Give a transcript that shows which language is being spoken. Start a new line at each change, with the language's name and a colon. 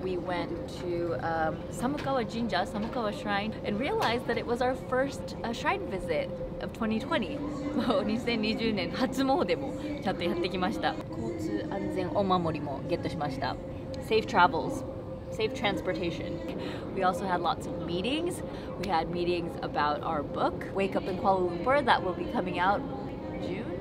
English: We went to Samukawa Jinja, Samukawa Shrine, and realized that it was our first shrine visit of 2020.
Japanese: もう2020年初詣でもちゃんとやってきました。交通安全お守りもゲットしました。
English: Safe travels, safe transportation. We also had lots of meetings. We had meetings about our book, Wake Up in Kuala Lumpur, that will be coming out June.